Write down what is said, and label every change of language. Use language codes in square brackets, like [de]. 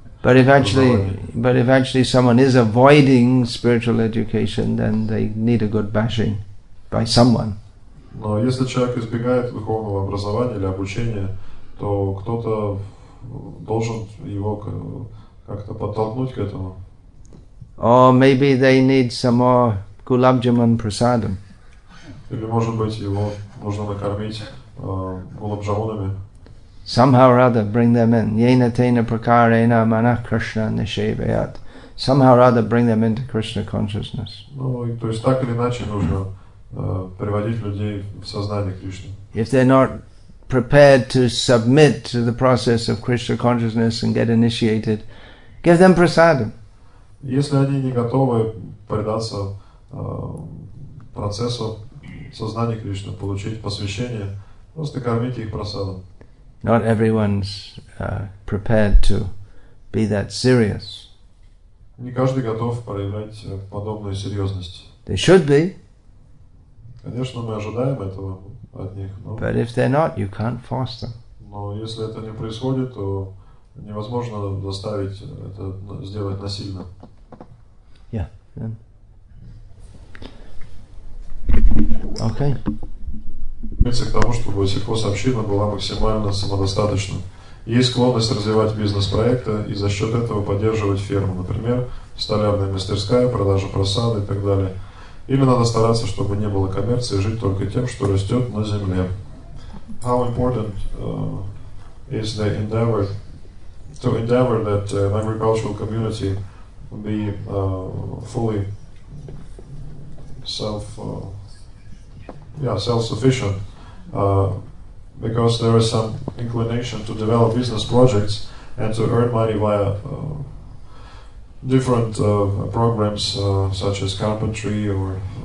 [en] But if actually someone is avoiding spiritual education, then they need a good bashing by someone. [ru] Но если человек избегает духовного образования или обучения, то кто-то должен его как-то подтолкнуть к этому. [en] Or maybe they need some more gulab jamun prasadam. [ru] Или может быть его нужно накормить gulab jamunами. [en] Somehow or other, bring them in. [sa] Yena tena prakarena mana Krishna nishevayat. [en] Somehow or other, bring them into Krishna consciousness. [ru] То есть так или иначе нужно приводить людей в сознание Кришны. [en] If they're not prepared to submit to the process of Krishna consciousness and get initiated, give them prasadam. [ru] Если они не готовы предаться процессу сознания Кришны, получить посвящение, просто кормите их прасадом. [en] Not everyone's prepared to be that serious. [ru] Не каждый готов проявлять подобную серьезность. [en] They should be. [ru] Конечно, мы ожидаем этого от них. Но [en] but if they're not, you can't force them. [ru] Но если это не происходит, то невозможно заставить это сделать насильно. [en] Yeah. Okay. [ru] К тому, чтобы сельхозобщина была максимально самодостаточна. Есть склонность развивать бизнес-проекты и за счет этого поддерживать ферму, например, столярная мастерская, продажа просады и так далее. Или надо стараться, чтобы не было коммерции, жить только тем, что растет на земле. [en] How important is the endeavor to endeavor that an agricultural community be fully self self-sufficient, because there is some inclination to develop business projects and to earn money via different programs such as carpentry or